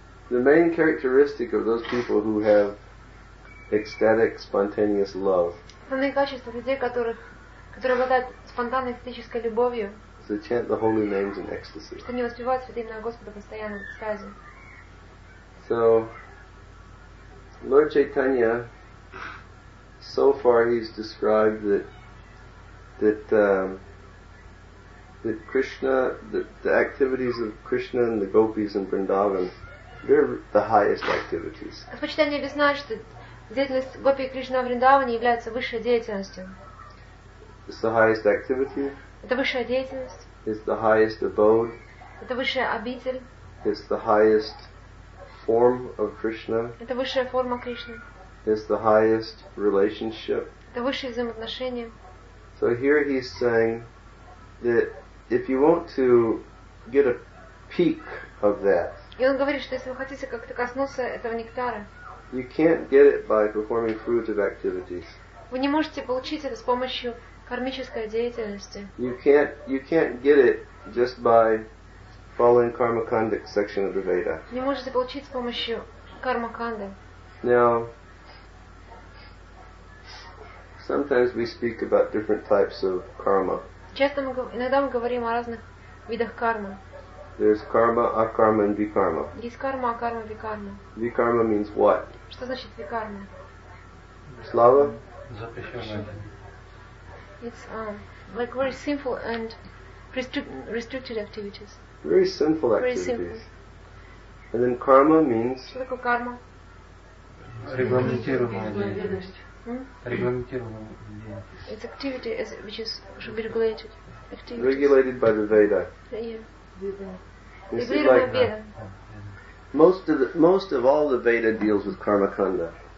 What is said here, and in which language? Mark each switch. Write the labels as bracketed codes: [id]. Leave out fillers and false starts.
[en] The main characteristic of those people who have ecstatic, spontaneous love. [ru] Основные качества людей, которые обладают спонтанной эстетической любовью, [en] to chant the holy names in ecstasy. [ru] Что они воспевают святые имена Господа постоянно в экстазе. [en] So, Lord Chaitanya, so far he's described that Krishna, the activities of Krishna and the gopis in Vrindavan, they're the highest activities. [ru] А Chaitanya объясняет, что деятельность Гопи и Кришны во Вриндаване является высшей деятельностью. [en] It's the highest activity. [ru] Это высшая деятельность. [en] It's the highest abode. [ru] Это высшая обитель. [en] It's the highest form of Krishna. [ru] Это высшая форма Кришны. [en] It's the highest relationship. [ru] Это высшие взаимоотношения. [en] So here he's saying that if you want to get a peak of that. [ru] И он говорит, что если вы хотите как-то коснуться этого нектара. [en] You can't get it by performing fruitive activities. [ru] Вы не можете получить это с помощью кармической деятельности. [en] You can't get it just by following Karmakandic section of the Veda. [ru] Не можете получить с помощью Кармаканды. [en] Now, sometimes we speak about different types of karma. [ru] Часто иногда мы говорим о разных видах кармы. [en] There's karma, akarma, and vikarma. [ru] Есть карма, акарма, викарма. [en] Викарма means what? [ru] Что значит викарма? Слава? Запрещенная. [en] It's like very simple and restricted activities. Very simple activities. Very simple. And then karma means? [ru] Что такое карма? Регламентированная деятельность. Регламентированная. [en] It's activity which is should be regulated. Activities. Regulated by the Veda. Yeah. You see, like, most of all the Veda deals with Karmakanda.